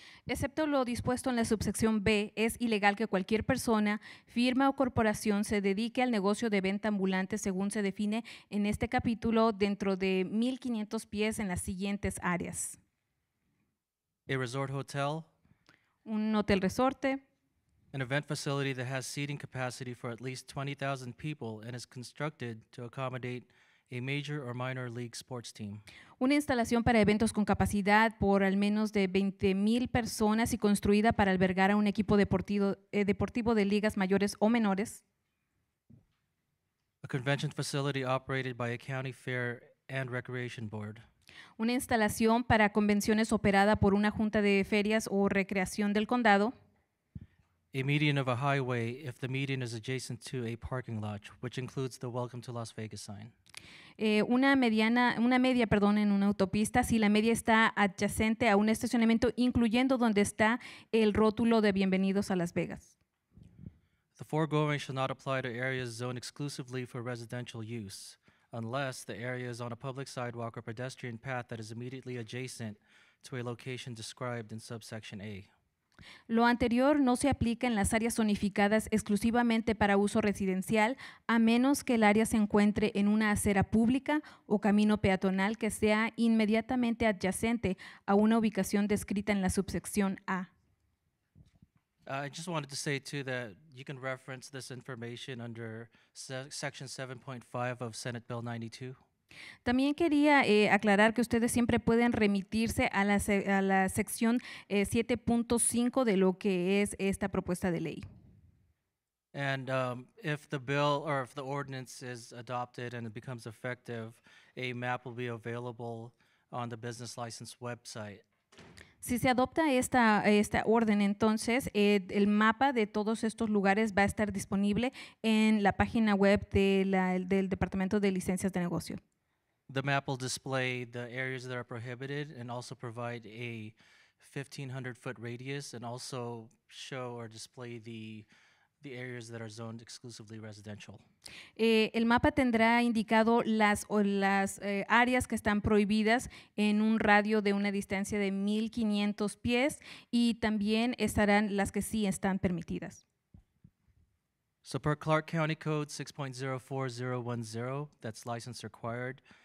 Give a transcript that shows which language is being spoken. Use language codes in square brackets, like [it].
[es] Excepto lo dispuesto en la subsección B, es ilegal que cualquier persona, firma o corporación se dedique al negocio de venta ambulante según se define en este capítulo dentro de 1,500 pies en las siguientes áreas. [en] A resort hotel. [es] Un hotel resorte. [en] An event facility that has seating capacity for at least 20,000 people and is constructed to accommodate a major or minor league sports team. [es] Una instalación para eventos con capacidad por al menos de 20,000 personas y construida para albergar a un equipo deportivo de ligas mayores o menores. [en] A convention facility operated by a county fair and recreation board. [es] Una instalación para convenciones operada por una junta de ferias o recreación del condado. [en] A median of a highway if the median is adjacent to a parking lot, which includes the Welcome to Las Vegas sign. [es] Una media, en una autopista, si la media está adyacente a un estacionamiento, incluyendo donde está el rótulo de Bienvenidos a Las Vegas. [en] The foregoing shall not apply to areas zoned exclusively for residential use, unless the area is on a public sidewalk or pedestrian path that is immediately adjacent to a location described in subsection A. [es] Lo anterior no se aplica en las áreas zonificadas exclusivamente para uso residencial, a menos que el área se encuentre en una acera pública o camino peatonal que sea inmediatamente adyacente a una ubicación descrita en la subsección A. [en] I just wanted to say too that you can reference this information under section 7.5 of Senate Bill 92. [es] También quería aclarar que ustedes siempre pueden remitirse a la sección 7.5 de lo que es esta propuesta de ley. [en] And if the bill or if the ordinance is adopted and it becomes effective, a map will be available on the business license website. [es] Si se adopta esta orden, entonces el mapa de todos estos lugares va a estar disponible en la página web del Departamento de Licencias de Negocio. [en] The map will display the areas that are prohibited and also provide a 1,500-foot radius and also show or display the areas that are zoned exclusively residential. [es] El mapa tendrá indicado las áreas que están prohibidas en un radio de una distancia de 1,500 pies y también estarán las que sí están permitidas. [en] So per Clark County Code 6.04010, that's license required.